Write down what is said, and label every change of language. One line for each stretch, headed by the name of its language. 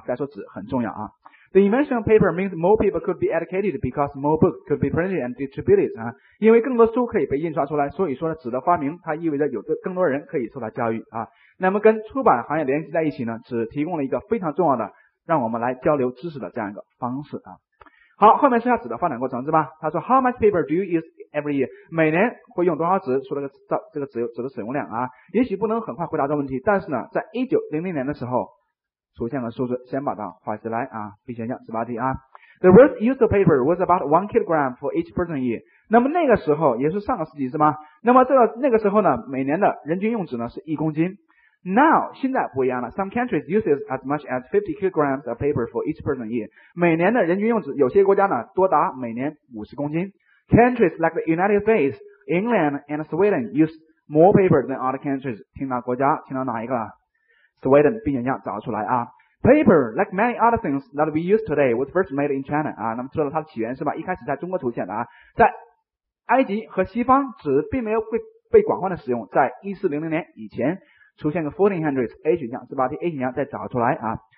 English: 再说纸很重要啊。The invention of paper means more people could be educated because more books could be printed and distributed 啊，
Chinese: 因为更多书可以被印刷出来，所以说呢，纸的发明它意味着有更多人可以受到教育啊。那么跟出版行业联系在一起呢，纸提供了一个非常重要的让我们来交流知识的这样一个方式啊。好，后面说下纸的发展过程，是吧？他说
English: How much paper do you use every year?
Chinese: 每年会用多少纸？说这个纸的使用量啊，也许不能很快回答这个问题，但是呢，在1900年的时候出现了数字，先把它画起来啊。 B 选项18题啊。
English: The worth used of paper was about 1 kilogram for each person year.
Chinese: 那么那个时候也是上个世纪，是吗？那么这个那个时候呢，每年的人均用纸呢是1公斤。
English: Now,
Chinese: 现在不一样了。
English: Some countries uses as much as 50 kilograms of paper for each person year.
Chinese: 每年的人均用纸，有些国家呢多达每年50公斤。
English: Countries like the United States, England, and Sweden use more paper than other countries.
Chinese: 听到国家，听到哪一个了？
English: Sweden,
Chinese: 并且要找出来啊。
English: Paper, like many other things that we use today, was first made in China.
Chinese: 啊，那么知道它的起源是吧？一开始在中国出现的啊。在埃及和西方，纸并没有被广泛的使用。在1400年以前，出现个 1400, A 选项，18题 A 选项再找出来啊。